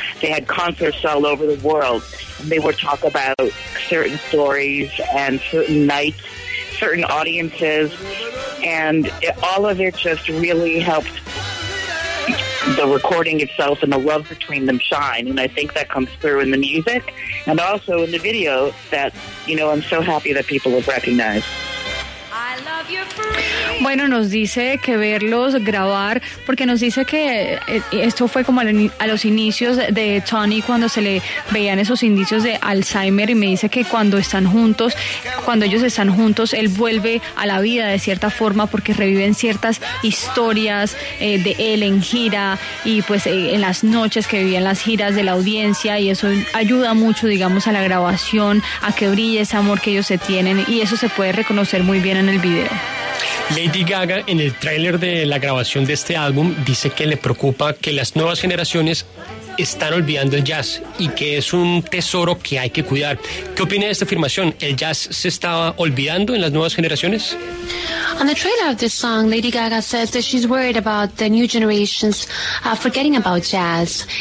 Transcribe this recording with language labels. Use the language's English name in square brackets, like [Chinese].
[English] They had concerts all over the world, and they would talk about certain stories and certain nights, certain audiences, and all of it just really helped the recording itself and the love between them shine. And I think that comes through in the music and also in the video that, you know, I'm so happy that people have recognized. [Spanish] Bueno, nos dice que verlos grabar, porque nos dice que esto fue como a los inicios de Tony, cuando se le veían esos indicios de Alzheimer, y me dice que cuando están juntos, cuando ellos están juntos, él vuelve a la vida de cierta forma, porque reviven ciertas historias de él en gira, y pues en las noches que vivían las giras de la audiencia, y eso ayuda mucho, digamos, a la grabación, a que brille ese amor que ellos se tienen, y eso se puede reconocer muy bien en el video. Lady Gaga, en el tráiler de la grabación de este álbum, dice que le preocupa que las nuevas generaciones están olvidando el jazz y que es un tesoro que hay que cuidar. ¿Qué opina de esta afirmación? ¿El jazz se está olvidando en las nuevas generaciones? [English] On the trailer of this song, Lady Gaga says that she's worried about the new generations forgetting about jazz.